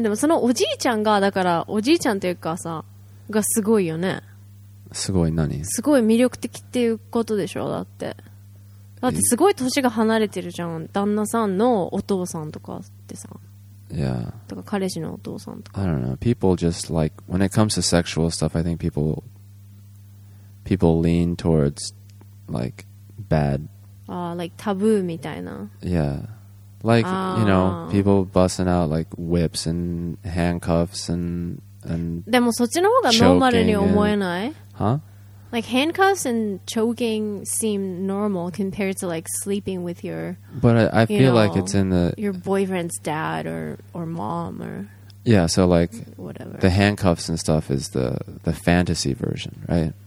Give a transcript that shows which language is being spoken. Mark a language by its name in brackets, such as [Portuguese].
[Japanese] でもそのおじいちゃんが、だからおじいちゃんというかさ、がすごいよね。すごい何? すごい魅力的っていうことでしょ、だって。だってすごい年が離れてるじゃん。旦那さんのお父さんとかってさ。 [English] Yeah. [Japanese] とか彼氏のお父さんとか。 [English] I don't know. People just like, when it comes to sexual stuff, I think people lean towards like bad like taboo [Japanese] みたいな [English] yeah like you know people busting out like whips and handcuffs and [Japanese] でもそっちの方がノーマルに思えない huh [English] like handcuffs and choking seem normal compared to like sleeping with your but I feel you know, like it's in the your boyfriend's dad or mom or yeah so like whatever the handcuffs and stuff is the fantasy version right